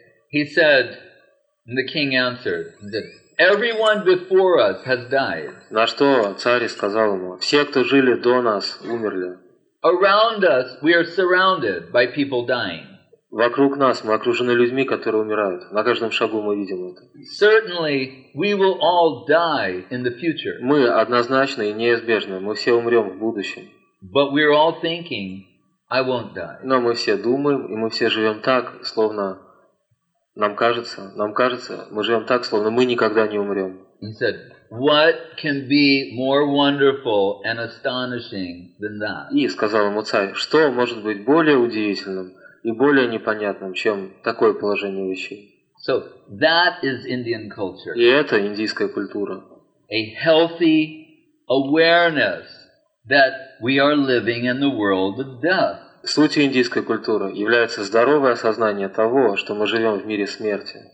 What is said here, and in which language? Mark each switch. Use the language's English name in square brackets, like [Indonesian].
[English] He said, and the king answered, that everyone before us has died. [Russian] На что царь сказал ему, все, кто жили до нас, умерли. [English] Around us we are surrounded by people dying. [Russian] Вокруг нас мы окружены людьми, которые умирают. На каждом шагу мы видим это. [English] Certainly we will all die in the future. [Russian] Мы однозначно и неизбежно, мы все умрем в будущем. [English] But we're all thinking, I won't die. [Russian] Но мы все думаем, и мы все живем так, словно нам кажется, мы живем так, словно мы никогда не умрем. [English] He said, what can be more wonderful and astonishing than that? [Russian] И сказал ему царь, что может быть более удивительным и более непонятным, чем такое положение вещей? [English] So that is Indian culture. [Russian] И это индийская культура. [English] A healthy awareness that we are living in the world of death. [Russian] Сутью индийской культуры является здоровое осознание того, что мы живем в мире смерти.